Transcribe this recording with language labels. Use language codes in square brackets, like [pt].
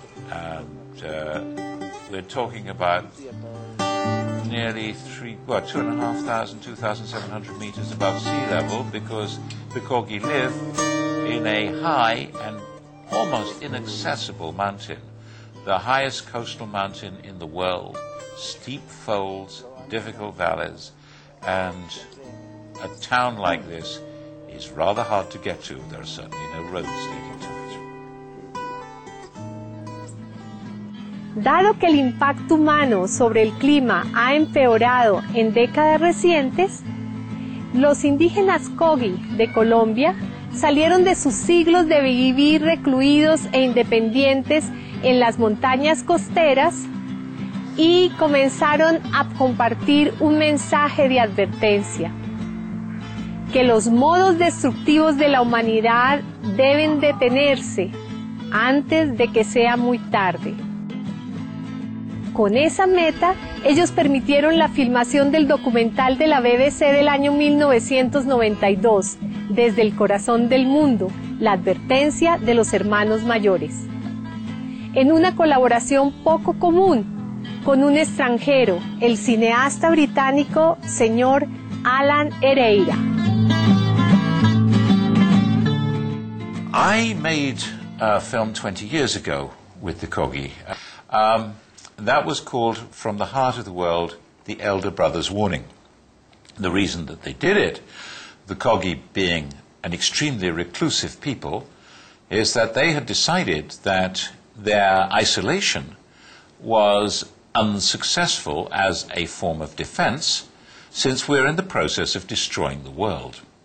[en] And we're talking about nearly 2,700 meters above sea level, because the Corgi live in a high and almost inaccessible mountain, the highest coastal mountain in the world, steep folds, difficult valleys, and a town like this is rather hard to get to. There are certainly no roads leading to it. [es] Dado que el impacto humano sobre el clima ha empeorado en décadas recientes, los indígenas Kogi de Colombia salieron de sus siglos de vivir recluidos e independientes en las montañas costeras y comenzaron a compartir un mensaje de advertencia: que los modos destructivos de la humanidad deben detenerse antes de que sea muy tarde. Con esa meta, ellos permitieron la filmación del documental de la BBC del año 1992, Desde el corazón del mundo, la advertencia de los hermanos mayores. En una colaboración poco común con un extranjero, el cineasta británico señor Alan Ereira. [en] I made a film 20 years ago with the Kogi. That was called From the Heart of the World, The Elder Brother's Warning. The reason that they did it, the Kogi being an extremely reclusive people, is that they had decided that their isolation was unsuccessful as a form of defense, since we're in the process of destroying the world.